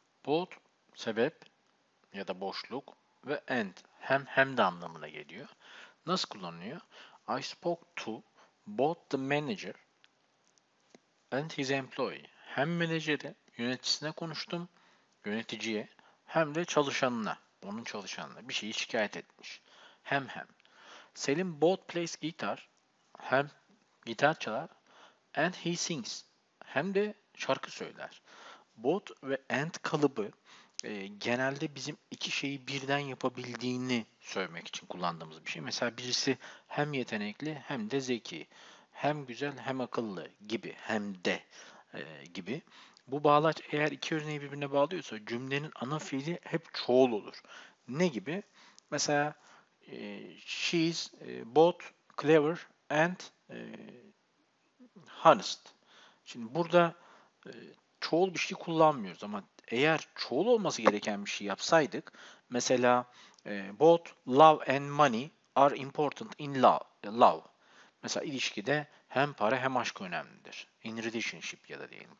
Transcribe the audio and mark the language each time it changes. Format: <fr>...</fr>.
<tr>Bu sebep ya da boşluk ve end hem de anlamına geliyor. Nasıl kullanılıyor?</tr> <en>I spoke to both the manager and his employee.</en> <tr>Hem menajere, yöneticisine konuştum, yöneticiye hem de çalışanına, onun çalışanına bir şeyi şikayet etmiş. Hem.</tr> <en>Selim both plays guitar,</en> <tr>hem gitar çalar</tr> <en>and he sings,</en> <tr>hem de şarkı söyler. Both ve and kalıbı genelde bizim iki şeyi birden yapabildiğini söylemek için kullandığımız bir şey. Mesela birisi hem yetenekli hem de zeki, hem güzel hem akıllı gibi, hem de gibi. Bu bağlaç eğer iki örneği birbirine bağlıyorsa cümlenin ana fiili hep çoğul olur. Ne gibi? Mesela</tr> <en>she's both clever and honest.</en> <tr>Şimdi burada çoğul bir şey kullanmıyoruz ama eğer çoğul olması gereken bir şey yapsaydık, mesela</tr> <en>both love and money are important in love.</en> <tr>Mesela ilişkide hem para hem aşk önemlidir.</tr> <en>In relationship</en> <tr>ya da diyelim.</tr>